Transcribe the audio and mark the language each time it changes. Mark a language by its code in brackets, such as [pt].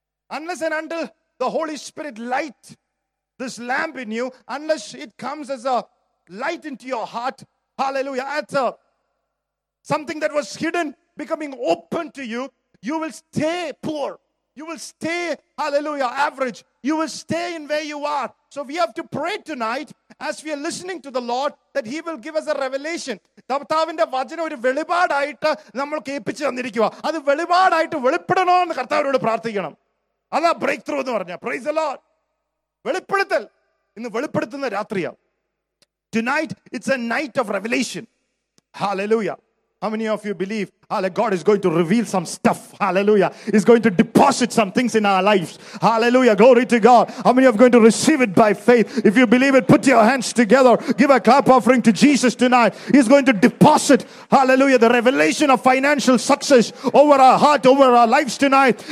[en] Unless and until the Holy Spirit light this lamp in you, unless it comes as a light into your heart, hallelujah, as a something that was hidden becoming open to you, you will stay poor. You will stay, hallelujah, average. You will stay in where you are. So we have to pray tonight as we are listening to the Lord that He will give us a revelation. [ml] കർത്താവിന്റെ വചനം ഒരു വെളിപാടായിട്ട് നമ്മൾ കേൾപ്പിച്ചു തന്നിരിക്കുക. അത് വെളിപാടായിട്ട് വെളിപ്പെടണോ എന്ന് കർത്താവിനോട് പ്രാർത്ഥിക്കണം. അതാ ബ്രേക്ക് ത്രൂ എന്ന് പറഞ്ഞ [en] Praise the lord. [ml] വെളിപ്പെടുത്തൽ ഇന്ന് വെളിപ്പെടുത്തുന്ന രാത്രിയാണ്. [en] Tonight it's a night of revelation. Hallelujah. How many of you believe, hallelujah, God is going to reveal some stuff? Hallelujah. He's going to deposit some things in our lives. Hallelujah. Glory to God. How many of you are going to receive it by faith? If you believe it, put your hands together. Give a clap offering to Jesus tonight. He's going to deposit, hallelujah, the revelation of financial success over our heart, over our lives tonight.